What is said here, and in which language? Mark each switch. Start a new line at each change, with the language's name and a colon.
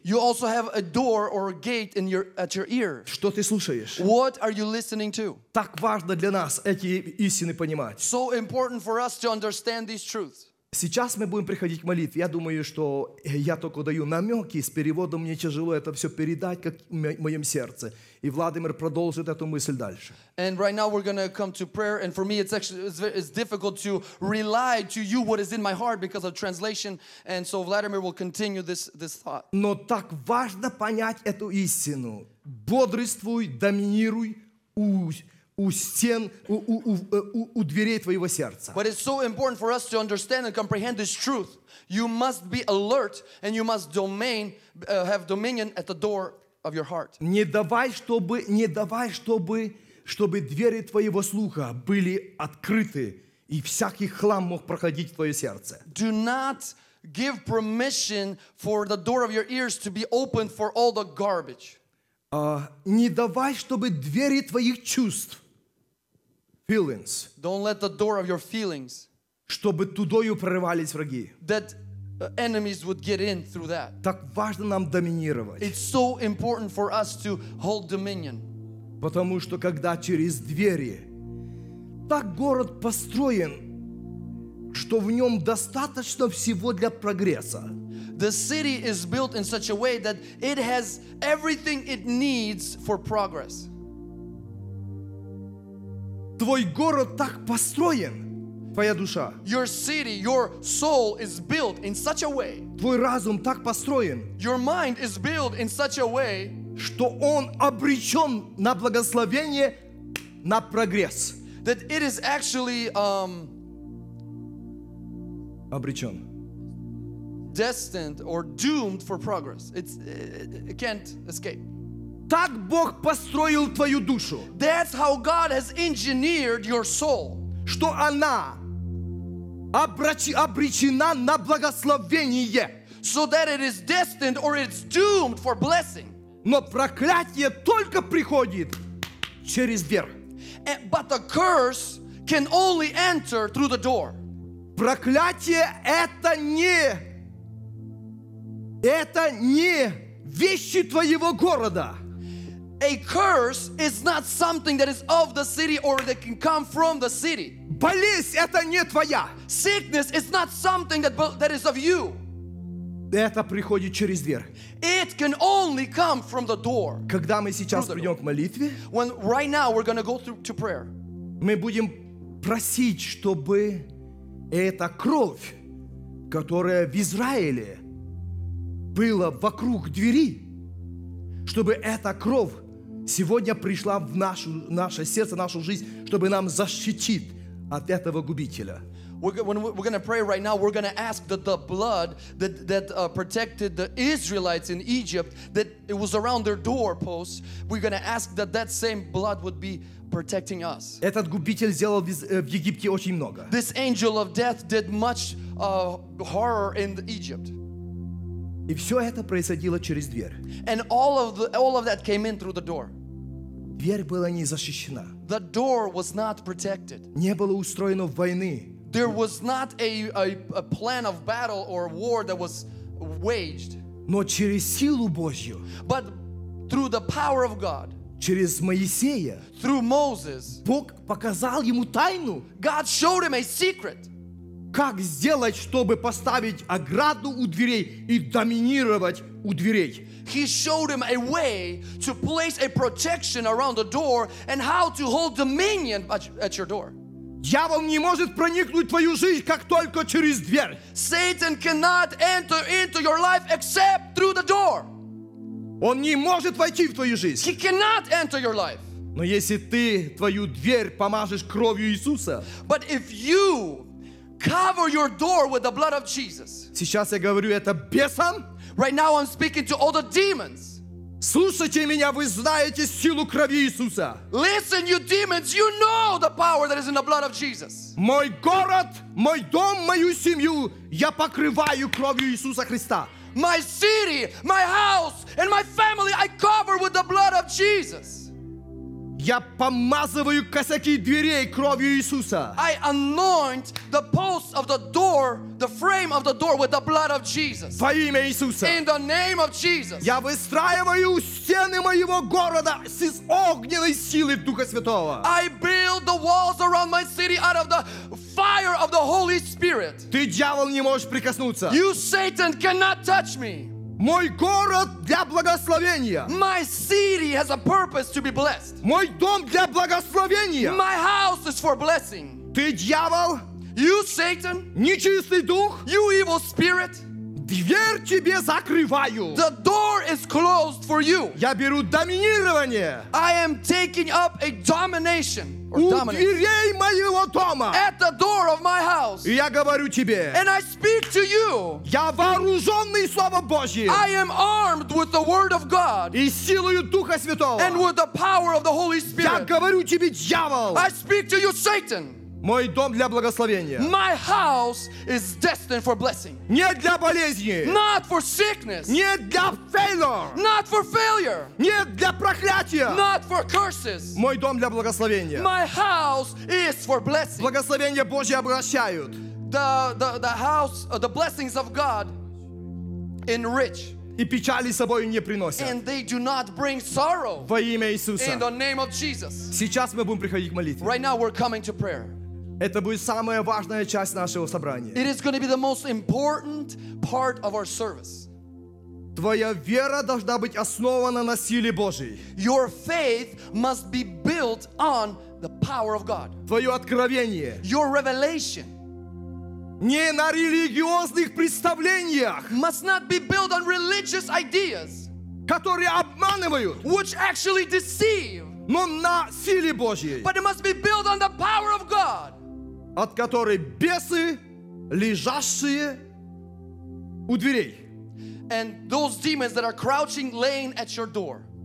English: You also have a door or a gate in your at your ear.
Russian: Что ты слушаешь?
English: What are you listening to?
Russian: Так важно для нас эти истины понимать.
English: So important for us to understand these truths.
Russian: Сейчас мы будем приходить к молитве. Я думаю, что я только даю намеки. С переводом мне тяжело это все передать, как в моем сердце. И Владимир продолжит эту мысль дальше.
English: And right now we're going to come to prayer. And for me, it's difficult to rely to you what is in my heart because of translation. And so Vladimir will continue this thought.
Russian: Но так важно понять эту истину. Бодрствуй, доминируй, у дверей твоего сердца.
English: But it's so important for us to understand and comprehend this truth. You must be alert and you must have dominion at the door of your heart.
Russian: Не давай, чтобы двери твоего слуха были открыты и всякий хлам мог проходить в твое сердце.
English: Do not give permission for the door of your ears to be opened for all the garbage.
Russian: Не давай, чтобы двери твоих чувств, feelings,
English: don't let the door of your feelings,
Russian: чтобы тудою прорывались враги,
English: that enemies would get in through that.
Russian: Так важно нам доминировать.
English: It's so important for us to hold dominion.
Russian: Потому что когда через двери, так город построен, что в нем достаточно всего для прогресса.
English: The city is built in such a way that it has everything it needs for progress.
Russian: Твой город так построен, твоя душа.
English: Your city, your soul is built in such a way.
Russian: Твой разум так построен.
English: Your mind is built in such a way,
Russian: что он обречен на благословение, на прогресс.
English: That it is actually
Russian: обречен.
English: Destined or doomed for progress. It can't escape.
Russian: Так Бог построил твою душу.
English: That's how God has engineered your soul.
Russian: Что она обречена на благословение.
English: So that it is destined or it's doomed for blessing.
Russian: Но проклятие только приходит через дверь.
English: But the curse can only enter through the door.
Russian: Проклятие это не вещи твоего города.
English: A curse is not something that is of the city or that can come from the city.
Russian: Болезнь это не твоя.
English: Sickness is not something that is of you.
Russian: Это приходит через дверь.
English: It can only come from the door.
Russian: Когда мы сейчас придем к молитве,
English: when right now we're going to go through to prayer,
Russian: мы будем просить, чтобы эта кровь, которая в Израиле была вокруг двери, чтобы эта кровь сегодня пришла в наше сердце, нашу жизнь, чтобы нам защитить от этого губителя.
English: We're going to pray right now. We're going to ask that the blood that protected the Israelites in Egypt, that it was around their doorposts, we're going to ask that same blood would be protecting us.
Russian: Этот губитель сделал в Египте очень много.
English: This angel of death did much horror in Egypt.
Russian: И все это происходило через дверь.
English: And all of that came in through the door.
Russian: Дверь была не защищена.
English: The door was not protected.
Russian: Не было устроено войны.
English: There was not a plan of battle or war that was waged.
Russian: Но через силу Божью.
English: But through the power of God.
Russian: Через Моисея.
English: Through Moses.
Russian: Бог показал ему тайну.
English: God showed him a secret.
Russian: Как сделать, чтобы поставить ограду у дверей и доминировать у дверей?
English: He showed him a way to place a protection around the door and how to hold dominion at your door.
Russian: Дьявол не может проникнуть в твою жизнь, как только через дверь.
English: Satan cannot enter into your life except through the door.
Russian: Он не может войти в твою жизнь.
English: He cannot enter your life.
Russian: Но если ты твою дверь помажешь кровью Иисуса,
English: but if you cover your door with the blood of Jesus.
Russian: Сейчас я говорю это бесам.
English: Right now I'm speaking to all the demons.
Russian: Слушайте меня, вы знаете силу крови Иисуса.
English: Listen, you demons, you know the power that is in the blood of Jesus.
Russian: Мой город, мой дом, мою семью я покрываю кровью Иисуса Христа.
English: My city, my house, and my family I cover with the blood of Jesus.
Russian: Я помазываю косяки дверей кровью Иисуса.
English: I anoint the posts of the door, the frame of the door with the blood of Jesus.
Russian: Во имя Иисуса.
English: In the name of Jesus.
Russian: Я выстраиваю стены моего города с огненной силой Духа Святого.
English: I build the walls around my city out of the fire of the Holy Spirit.
Russian: Ты, дьявол, не можешь прикоснуться.
English: You, Satan, cannot touch me.
Russian: Мой город для благословения.
English: My city has a purpose to be blessed.
Russian: Мой дом для благословения.
English: My house is for blessing.
Russian: Ты дьявол?
English: You, Satan?
Russian: Нечистый дух?
English: You evil spirit?
Russian: Дверь тебе закрываю.
English: The door is closed for you.
Russian: Я беру доминирование.
English: I am taking up a domination.
Russian: У дверей моего дома.
English: At the door of my house.
Russian: И я говорю тебе.
English: And I speak to you.
Russian: Я вооруженный Словом Божьим.
English: I am armed with the word of God.
Russian: И силою Духа Святого.
English: And with the power of the Holy Spirit.
Russian: Я говорю тебе, дьявол.
English: I speak to you, Satan.
Russian: Мой дом для благословения.
English: My house is destined for blessing.
Russian: Не для болезни.
English: Not for sickness.
Russian: Не для failure.
English: Not for failure.
Russian: Не для проклятия.
English: Not for curses.
Russian: Мой дом для благословения.
English: My house is for blessing.
Russian: Благословения Божьи обогащают.
English: The house, the blessings of God enrich.
Russian: И печали собой не приносят.
English: And they do not bring sorrow.
Russian: Во имя Иисуса.
English: In the name of Jesus.
Russian: Сейчас мы будем приходить к молитве.
English: Right now we're coming to prayer.
Russian: Это будет самая важная часть нашего собрания.
English: It is going to be the most important part of our service.
Russian: Твоя вера должна быть основана на силе Божьей.
English: Your faith must be built on the power of God.
Russian: Твое откровение.
English: Your revelation.
Russian: Не на религиозных представлениях.
English: Must not be built on religious ideas.
Russian: Которые обманывают.
English: Which actually deceive.
Russian: Но на силе Божьей.
English: But it must be built on the power of God.
Russian: От которой бесы, лежащие у дверей.
English: And those demons that are crouching, laying at your door.